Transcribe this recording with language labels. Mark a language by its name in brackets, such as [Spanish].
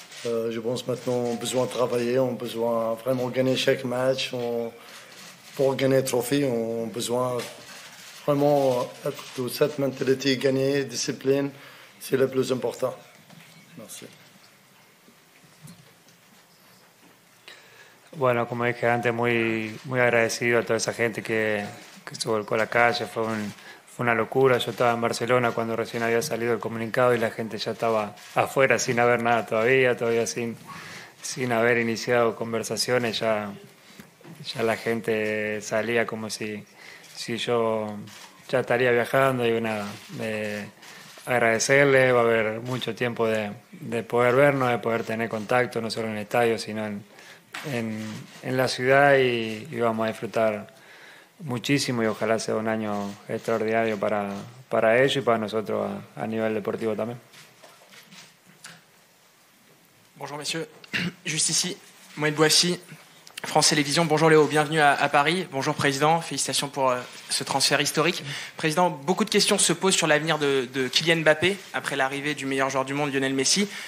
[French] Je pense maintenant qu'on a besoin de travailler, on a besoin vraiment de gagner chaque match. Pour gagner le trophée, on a besoin vraiment de cette mentalité, gagner, discipline, c'est le plus important. Merci. [Spanish] Bueno, como dije antes, muy, muy agradecido a toda esa gente que se volcó a la calle. Fue una locura. Yo estaba en Barcelona cuando recién había salido el comunicado y la gente ya estaba afuera sin haber nada todavía sin haber iniciado conversaciones. Ya la gente salía como si yo ya estaría viajando. Y nada, agradecerle, va a haber mucho tiempo de poder vernos, de poder tener contacto, no solo en el estadio, sino en la ciudad, y vamos a disfrutar muchísimo, y ojalá sea un año extraordinario para ellos y para nosotros a nivel deportivo también. [French] Bonjour messieurs, juste ici, Moïse Bouafi, France Télévisions. Bonjour Léo, bienvenue à Paris. Bonjour Président, félicitations pour ce transfert historique. Président, beaucoup de questions se posent sur l'avenir de Kylian Mbappé après l'arrivée du meilleur joueur du monde, Lionel Messi.